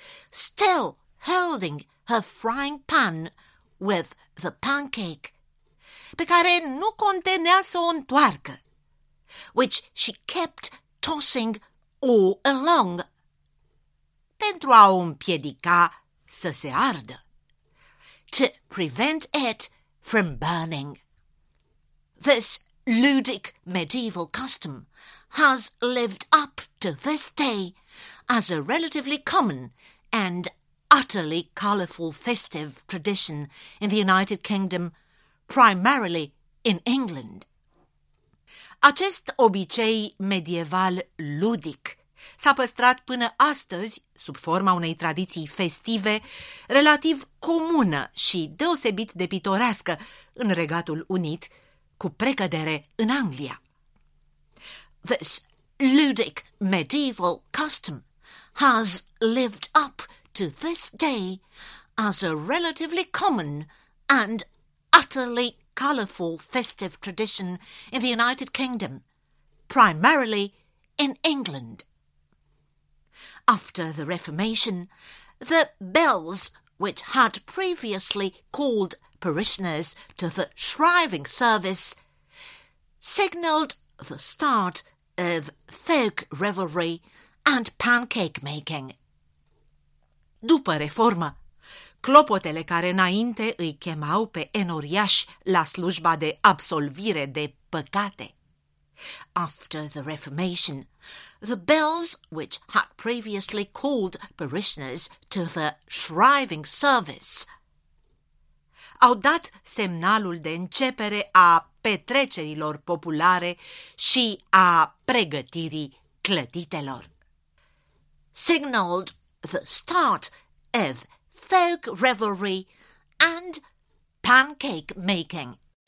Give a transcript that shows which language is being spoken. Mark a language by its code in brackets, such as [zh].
[en] Still holding her frying pan with the pancake, [ro] pe care nu contenea să o întoarcă, [en] which she kept tossing all along, [ro] pentru a o împiedica să se ardă, [en] to prevent it from burning. This ludic medieval custom has lived up to this day as a relatively common and utterly colourful festive tradition in the United Kingdom, primarily in England. [ro] Acest obicei medieval ludic s-a păstrat până astăzi sub forma unei tradiții festive relativ comună și deosebit de pitorească în Regatul Unit, cu precădere în Anglia. [en] This ludic medieval custom has lived up to this day as a relatively common and utterly colourful festive tradition in the United Kingdom, primarily in England. After the Reformation, the bells, which had previously called parishioners to the shriving service, signalled the start of folk revelry and pancake making. [ro] După reformă, clopotele care înainte îi chemau pe enoriași la slujba de absolvire de păcate. [en] After the Reformation, the bells which had previously called parishioners to the shriving service [ro] au dat semnalul de începere a petrecerilor populare și a pregătirii clătitelor. [en] Signaled the start of folk revelry and pancake making.